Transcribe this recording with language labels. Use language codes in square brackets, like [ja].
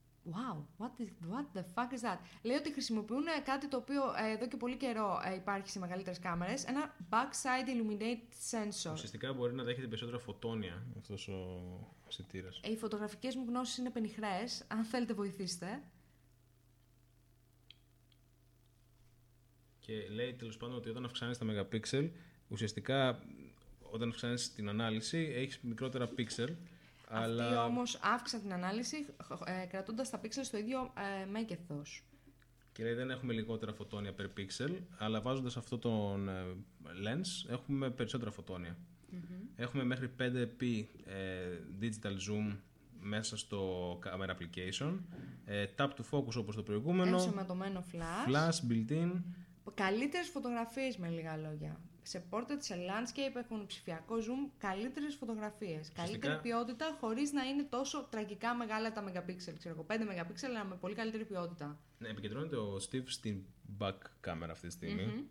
[en] Wow, what the fuck is that? [el] Λέει ότι χρησιμοποιούν κάτι το οποίο εδώ και πολύ καιρό υπάρχει σε μεγαλύτερες κάμερες, ένα backside illuminate sensor. Ουσιαστικά μπορεί να δέχεται περισσότερα φωτόνια αυτός ο αισθητήρας. Οι φωτογραφικές μου γνώσεις είναι πενιχρές, αν θέλετε βοηθήστε. Και λέει τέλος πάντων ότι όταν αυξάνεις τα megapixel, ουσιαστικά όταν αυξάνεις την ανάλυση έχεις μικρότερα pixel. Αλλά... Αυτοί όμως αύξησαν την ανάλυση κρατώντας τα πίξελ στο ίδιο μέγεθος. Και λέει δεν έχουμε λιγότερα φωτόνια per pixel, αλλά βάζοντας αυτό τον lens έχουμε περισσότερα φωτόνια. Έχουμε μέχρι 5p digital zoom μέσα στο camera application, tap to focus όπως το προηγούμενο, ενσωματωμένο flash, [en] flash built-in. [el] Καλύτερες φωτογραφίες με λίγα λόγια. Σε portrait, σε landscape έχουν ψηφιακό zoom, καλύτερες φωτογραφίες. Φυσικά, καλύτερη ποιότητα χωρίς να είναι τόσο τραγικά μεγάλα τα megapixel. Ξέρω εγώ, 5 megapixel, αλλά με πολύ καλύτερη ποιότητα. Ναι, επικεντρώνεται ο Steve στην back camera αυτή τη στιγμή.